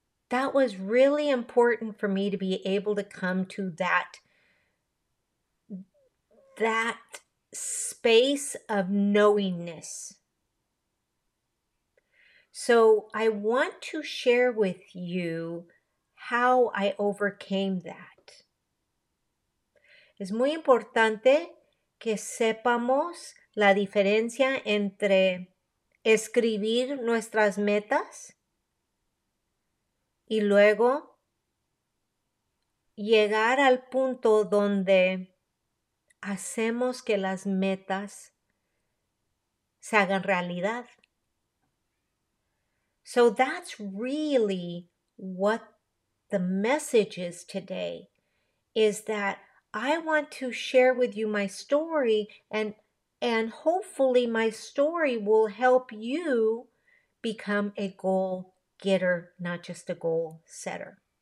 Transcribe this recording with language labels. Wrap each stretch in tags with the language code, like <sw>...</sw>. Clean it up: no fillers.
<en>That was really important for me to be able to come to that space of knowingness. So I want to share with you how I overcame that.</en> <es>Es muy importante que sepamos la diferencia entre escribir nuestras metas y luego llegar al punto donde hacemos que las metas se hagan realidad.</es> <en>So that's really what the message is today, is that I want to share with you my story, and hopefully my story will help you become a goal getter, not just a goal setter.</en>